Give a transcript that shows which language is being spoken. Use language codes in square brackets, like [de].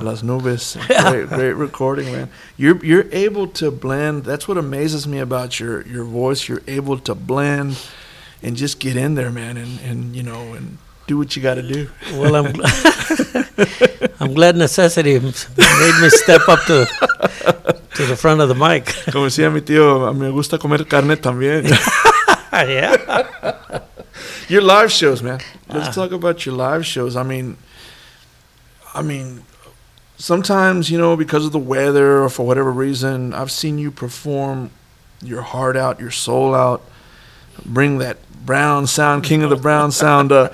[en] Las Nubes. Great recording, man. You're able to blend. That's what amazes me about your voice. You're able to blend and just get in there, man, and you know, and do what you got to do. Well, I'm glad necessity made me step up to the front of the mic. [es] Como decía mi tío, me gusta comer carne también. [en] Yeah. Your live shows, man. Let's talk about your live shows. I mean, sometimes, you know, because of the weather or for whatever reason, I've seen you perform your heart out, your soul out, bring that brown sound, King of the Brown sound.